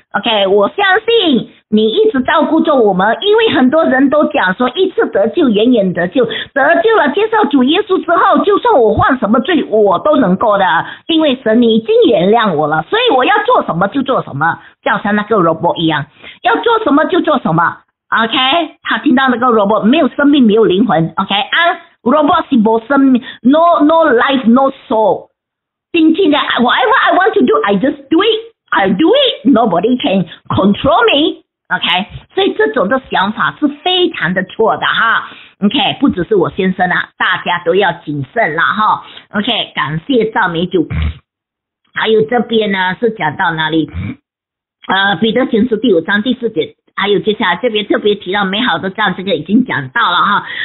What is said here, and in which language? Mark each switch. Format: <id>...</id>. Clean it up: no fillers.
<zh>OK， 我相信你一直照顾着我们，因为很多人都讲说一次得救，远远得救，得救了接受主耶稣之后，就算我犯什么罪我都能够的，因为神你已经原谅我了，所以我要做什么就做什么，就像那个萝卜一样，要做什么就做什么。 OK， 他听到那个萝卜没有生命没有灵魂。</zh> <en>OK，</en> <zh>啊，萝卜是没生命，</zh> <en>no, no life no soul，</en> <zh>静静的</zh> <en>whatever I want to do I just do itI do it, nobody can control me.</en> <zh>OK， 所以这种的想法是非常的错的哈。 OK， 不只是我先生啊，大家都要谨慎啦哈。 OK， 感谢赞美主。还有这边呢是讲到哪里？彼得前书第五章第四节，还有接下来这边特别提到美好的账，这个已经讲到了哈。</zh>